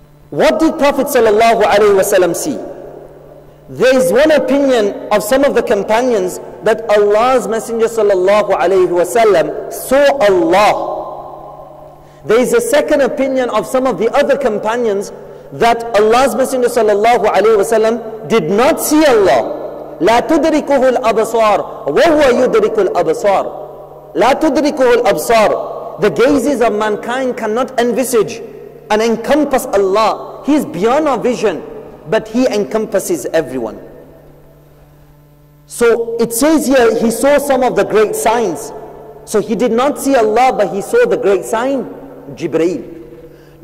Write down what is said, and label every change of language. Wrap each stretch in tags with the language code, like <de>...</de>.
<en>What did Prophet sallallahu alayhi wa sallam see? There is one opinion of some of the companions that Allah's Messenger sallallahu alayhi wa sallam saw Allah. There is a second opinion of some of the other companions that Allah's Messenger sallallahu alayhi wa sallam did not see Allah.</en> <ar>لا تدركه الأبصار وهو يدرك الأبصار. لا تدركه الأبصار.</ar> <en>The gazes of mankind cannot envisage and encompass Allah. He is beyond our vision, but He encompasses everyone. So it says here, he saw some of the great signs. So he did not see Allah, but he saw the great sign, Jibreel.</en>